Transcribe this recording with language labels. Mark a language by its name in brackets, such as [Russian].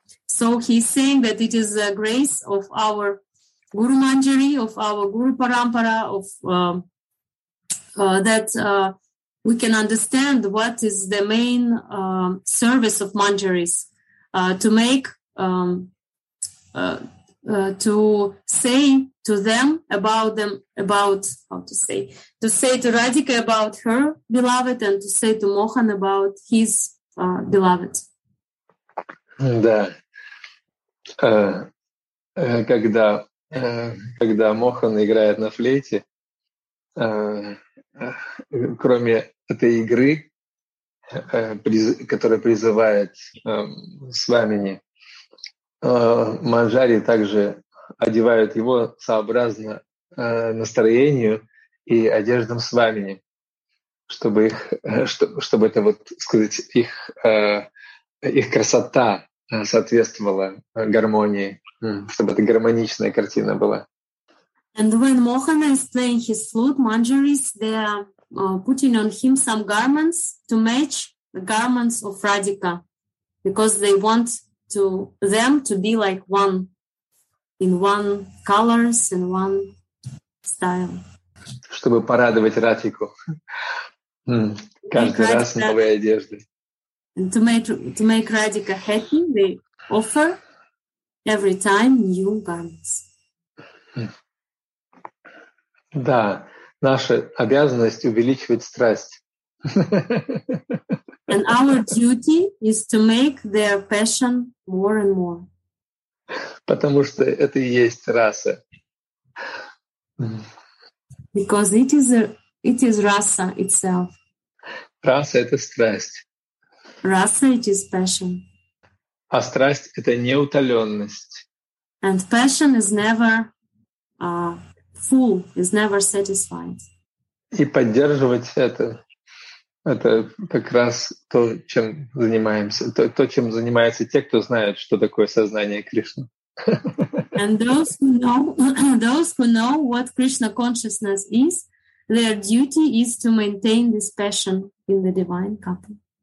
[English] So he's saying that it is a grace of our Guru Manjari, of our Guru Parampara, of that we can understand what is the main service of Manjaris, to make, to say to them about them, about, how to say to Radhika about her beloved and to say to Mohan about his beloved. [Russian] Да. Когда Мохан играет на флейте, кроме этой игры, которая призывает свамини, Манджари также одевают его сообразно настроению и одеждам свамини, чтобы их, чтобы это вот сказать, их, их красота соответствовала гармонии, чтобы это гармоничная картина была. [English] And when Mohana is playing his flute, Manjaris, they are putting on him some garments to match the garments of Radhika, because they want to them to be like one, in one colors and one style. [Russian] Чтобы порадовать Радхику. Каждый [English] make [Russian] раз Radhika, новые одежды. [English] To make Radhika happy, they offer every time new garments. [Russian] Да, наша обязанность увеличивать страсть. [English] And our duty is to make their passion more and more. [Russian] Потому что это и есть раса. [English] Because it is rasa itself. [Russian] Раса — это страсть. [English] Rasa — it is passion. [Russian] А страсть — это неутоленность. [English] And passion is never full, is never satisfied. [Russian] И поддерживать это как раз то, чем занимаемся, то, чем занимаются те, кто знает, что такое сознание Кришны. [English] And those who know what Krishna consciousness is, their duty is to maintain this passion in the divine couple.